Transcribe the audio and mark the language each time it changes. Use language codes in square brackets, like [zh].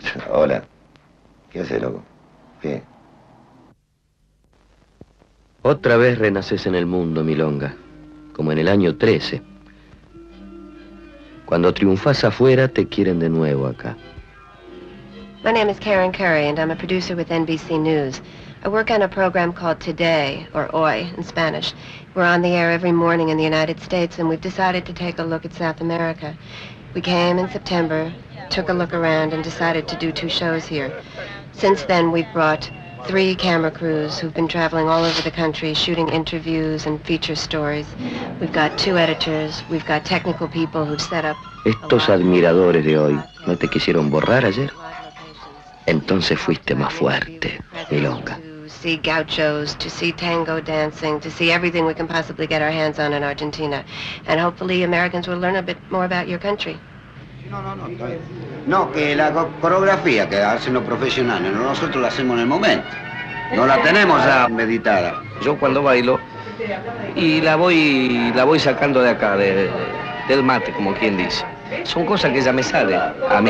[es] Hola, ¿qué haces, loco? Bien. Otra vez renaces en el mundo, milonga. Como en el año 13. Cuando triunfas afuera, te quieren de nuevo acá. [en] My name is Karen Curry, and I'm a producer with NBC News. I work on a program called Today, or Hoy in Spanish. We're on the air every morning in the United States, and we've decided to take a look at South America. We came in September, took a look around, and decided to do two shows here. Since then, we've brought three camera crews who've been traveling all over the country shooting interviews and feature stories. We've got two editors, we've got technical people who've set up... [es] Estos admiradores de hoy, ¿no te quisieron borrar ayer? Entonces fuiste más fuerte, Milonga. [en] To see gauchos, to see tango dancing, to see everything we can possibly get our hands on in Argentina. And hopefully Americans will learn a bit more about your country. [es] No, que la coreografía que hacen los profesionales, nosotros la hacemos en el momento. No la tenemos ya meditada. Yo cuando bailo, y la voy sacando de acá, del mate, como quien dice. Son cosas que ya me salen a mí.